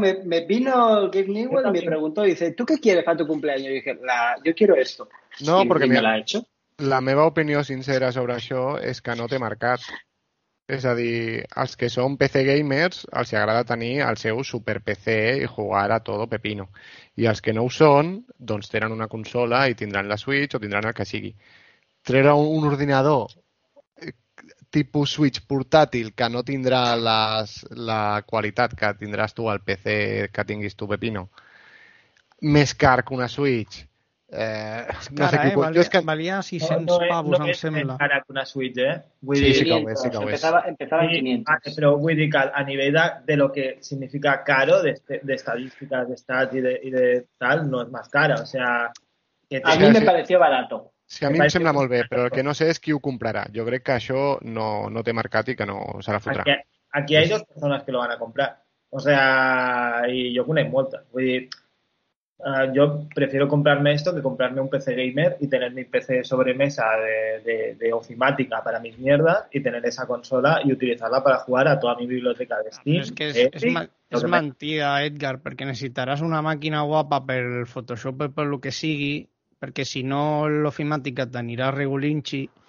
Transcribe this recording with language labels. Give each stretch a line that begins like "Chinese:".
Spanish: Me vino el Gabe Newell y me preguntó, dice, ¿tú qué quieres para tu cumpleaños? Y dije, yo quiero esto. No, y porque me la ha hecho.
Catalan: La meva opinió sincera sobre això és que no té mercat. És a dir, els que són PC gamers els agrada tenir el seu super PC i jugar
Spanish: a todo pepino.
Catalan: I els que no ho són, doncs tenen una consola i tindran la Switch o tindran el que sigui. Treure un ordinador tipus Switch portàtil que no tindrà la qualitat que tindràs tu al PC que tinguis tu pepino, més car que una Switch, No sé, Valia, jo és que... valia 600 pavos, em sembla. No és encara una Switch, eh? Vull sí, que ho és, sí que ho és.
Spanish: Empezava en 500.
Catalan: Però vull dir que a nivell de lo que significa caro, de estadísticas, de stats i de tal, no és més cara. O sea,
Spanish: que a mi me pareció barato.
Catalan: Sí, a mi em sembla molt bé, però el que no sé és qui ho comprarà. Jo crec que això no té mercat i que no se la fotrà.
Spanish: Aquí hay dos personas que lo van a comprar. O sea, y yo
Catalan: conec moltes.
Spanish: Vull dir, yo prefiero comprarme esto que comprarme un PC gamer y tener mi PC sobremesa de ofimática para mis mierdas y tener esa consola y utilizarla para jugar a toda mi biblioteca de Steam. Es que es mentida, Edgar, porque necesitarás una máquina guapa
Catalan: per el Photoshop o per lo que sigui, perquè si no l'ofimàtica t'anirà regolinchi.